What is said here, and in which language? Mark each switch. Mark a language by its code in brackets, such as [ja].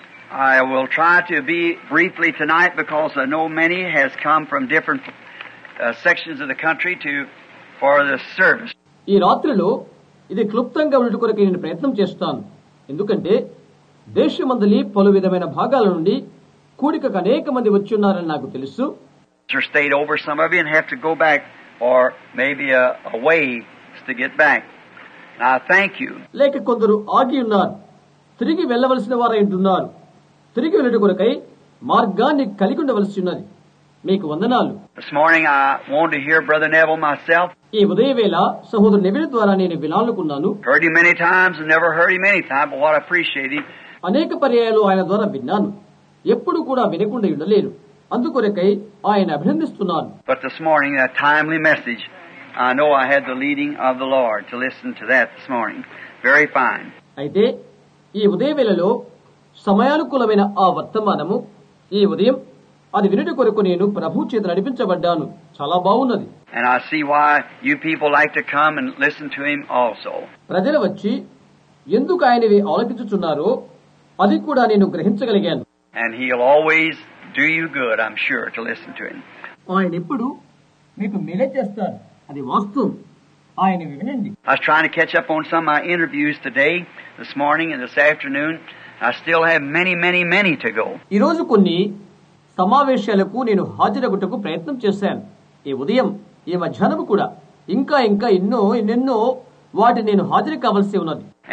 [en] I will try to be briefly tonight because I know many has come from different sections of the country to for the service. [te] ఈ రాత్రిలో ఇది క్లుప్తంగా ఉండి కొరకు నేను ప్రయత్నం చేస్తాను. ఎందుకంటే దేశమందలి పలు విధమైన భాగాల నుండి కూడిక అనేక మంది వచ్చి ఉన్నారని నాకు తెలుసు. [en] Just stayed over some of you and have to go back or maybe a way to get back. Now thank you. [te] లేక కొందరు ఆగి ఉన్నారు, తిరిగి వెళ్ళవలసిన వారై ఉన్నారు. తిరిగి వెళ్ళి కొరకై మార్గాన్ని కలిగి ఉండవలసి ఉన్నది. మీకు వందనాలు. [en] This morning I want to hear Brother Neville myself. [te] ఈ ఉదయవేళ సహోదరు నెవిల్ ద్వారా నేను వినాలనుకున్నాను. [en] Heard him many times and never heard him any time, but what I appreciate it. [te] అనేక పర్యాయాలు ఆయన ద్వారా విన్నాను, ఎప్పుడు కూడా వినకుండా ఉండలేను. అందుకొరకై ఆయన అభినందిస్తున్నాను. [en] But this morning a timely message. I know I had the leading of the Lord to listen to that this morning. Very fine. [te] అయితే ఈ ఉదయవేళలో సమయానుకూలమైన ఆ వర్తమానము ఈ ఉదయం అది వినటి కొరకు నేను ప్రభు చేత నడిపించబడ్డాను. చాలా బాగున్నది. [en] And I see why you people like to come and listen to him also. [te] ప్రజలు వచ్చి ఎందుకు ఆయనవి ఆలకించుచున్నారో అది కూడా నేను గ్రహించగలిగాను. [en] And he'll always do you good, I'm sure, to listen to him. [te] ఆయన ఎప్పుడు మీకు మేలు చేస్తారు, అది వాస్తవం. ఆయన వినండి. [en] I was trying to catch up on some of my interviews today, this morning and this afternoon. I still have many, many, many to go. [te] ఈ రోజు కొన్ని సమావేశాలకు నేను హాజరగుటకు ప్రయత్నం చేశాను. ఈ ఉదయం, ఈ మధ్యాహ్నం కూడా ఇంకా ఇంకా ఎన్నో ఎన్నెన్నో వాటి నేను హాజరు కావాల్సి ఉన్నది.